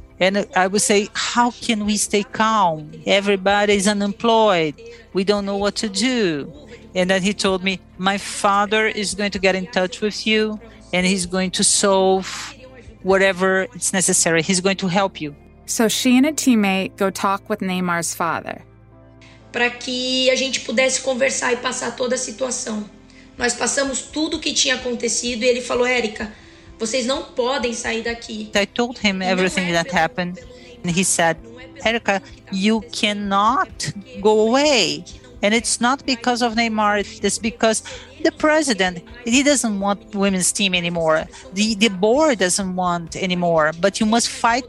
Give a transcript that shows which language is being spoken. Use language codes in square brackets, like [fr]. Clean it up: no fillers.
[en] And I would say, "How can we stay calm? Everybody is unemployed. We don't know what to do." And then he told me, "My father is going to get in touch with you and he's going to solve whatever it's necessary. He's going to help you." So she and a teammate go talk with Neymar's father. [pt] Para que a gente pudesse conversar e passar toda a situação. Nós passamos tudo o que tinha acontecido e ele falou, "Erica, vocês não podem sair daqui." [en] I told him everything that happened. And he said, "Erica, you cannot go away. And it's not because of Neymar, it's because the president, he doesn't want women's team anymore. The board doesn't want anymore, but you must fight."